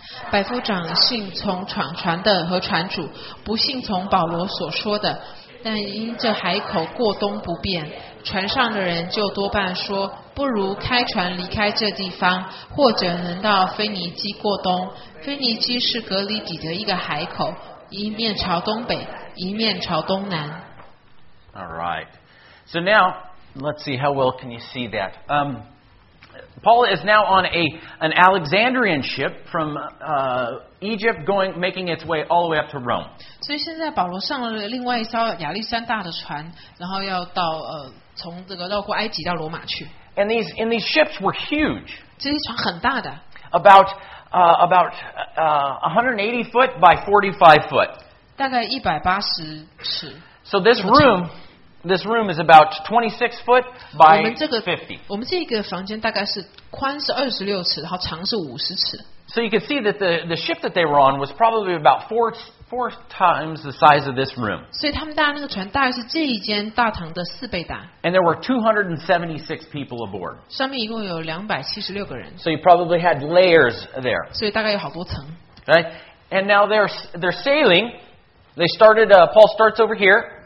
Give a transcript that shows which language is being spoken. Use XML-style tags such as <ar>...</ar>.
<zh>百夫长信从闯船的和船主，不信从保罗所说的，但因这海口过冬不便，船上的人就多半说，不如开船离开这地方，或者能到腓尼基过冬。腓尼基是格里底的一个海口，一面朝东北，一面朝东南。</zh> <en>All right. So now, let's see how well can you see that. Paul is now on an Alexandrian ship from Egypt, going making its way all the way up to Rome.</en> <zh>所以现在保罗上了另外一艘亚历山大的船，然后要到从这个绕过埃及到罗马去。</zh> <en>And these ships were huge.</en> <zh>这些船很大的。</zh> <en>About 180 foot by 45 foot.</en> <zh>大概180尺。</zh> <en>So this room is about 26 foot by 50.</en> <zh>我们这个房间大概是宽是26尺，然后长是50尺。</zh> <en>So you can see that the ship that they were on was probably about four times the size of this room.</en> <zh>所以他们搭那个船大概是这一间大堂的四倍大。</zh> <en>And there were 276 people aboard.</en> <zh>上面一共有276个人。</zh> <en>So you probably had layers there.</en> <zh>所以大概有好多层。</zh> <en>Right? And now they're sailing. They started, Paul starts over here.</en>